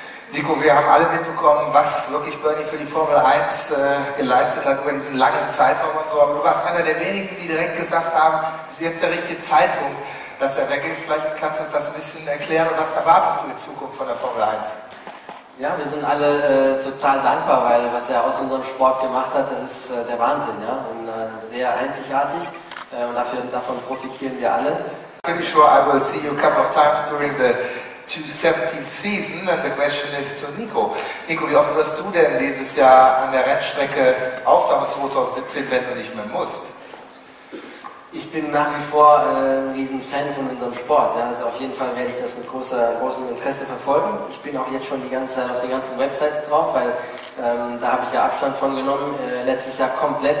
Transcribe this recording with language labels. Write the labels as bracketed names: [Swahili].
[German] Nico, wir haben alle mitbekommen, was wirklich Bernie für die Formel 1 geleistet hat über diesen langen Zeitraum und so, aber du warst einer der wenigen, die direkt gesagt haben, ist jetzt der richtige Zeitpunkt, dass er weg ist. Vielleicht kannst du uns das ein bisschen erklären. Und was erwartest du in Zukunft von der Formel 1? Ja, wir sind alle total dankbar, weil was er aus unserem Sport gemacht hat, das ist der Wahnsinn. Ja? Und sehr einzigartig. Davon profitieren wir alle. [English] Pretty sure I will see you a couple of times during the 2017 season. And the question is to Nico. [German] Nico, wie oft wirst du denn dieses Jahr an der Rennstrecke auftauchen 2017, wenn du nicht mehr musst? Ich bin nach wie vor ein riesen Fan von unserem Sport. Ja. Also auf jeden Fall werde ich das mit großem Interesse verfolgen. Ich bin auch jetzt schon die ganze Zeit auf den ganzen Websites drauf, weil da habe ich ja Abstand von genommen. Letztes Jahr komplett.